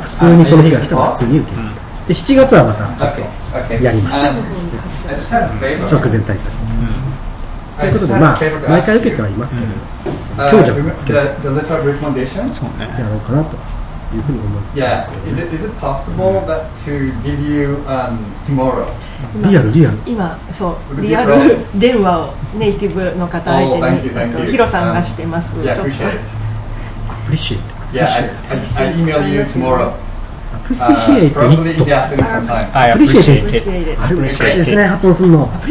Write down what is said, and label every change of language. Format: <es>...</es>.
<ja>普通にその日が来たら普通に受ける。で7月はまたちょっとやります。直前対策。ということで毎回受けてはいますけど、強弱をつけて、やろうかなというふうに思います。</ja> <en>Is it possible that to give you tomorrow?</en> <ja>リアル今そうリアル電話をネイティブの方相手にヒロさんがしてます。ちょっと</ja> <en>appreciate I email you tomorrow appreciate it appreciate it</en> <ja>あれ難しいですね、発音するの。</ja>